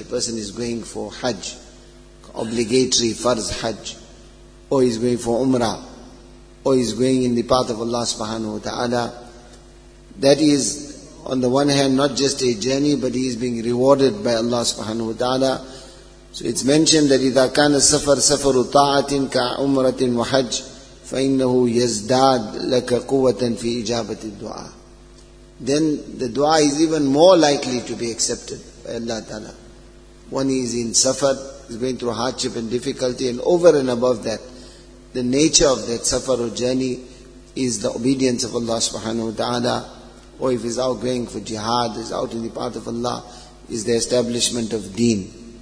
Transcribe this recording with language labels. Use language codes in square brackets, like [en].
[en] A person is going for hajj, obligatory farz hajj, or is going for umrah, or is going in the path of Allah subhanahu wa ta'ala. That is, on the one hand, not just a journey, but he is being rewarded by Allah subhanahu wa ta'ala. So it's mentioned that [ar] إِذَا كَانَ السَّفَرُ سَفَرُ طَاعَةٍ كَعُمْرَةٍ وَحَجْ فَإِنَّهُ يَزْدَادْ لَكَ قُوَّةً فِي إِجَابَةِ الدُّعَى. [en] Then the dua is even more likely to be accepted by Allah ta'ala. One is in safar, is going through hardship and difficulty, and over and above that, the nature of that safar or journey is the obedience of Allah subhanahu wa ta'ala. Or if he's out going for jihad, is out in the path of Allah, is the establishment of deen.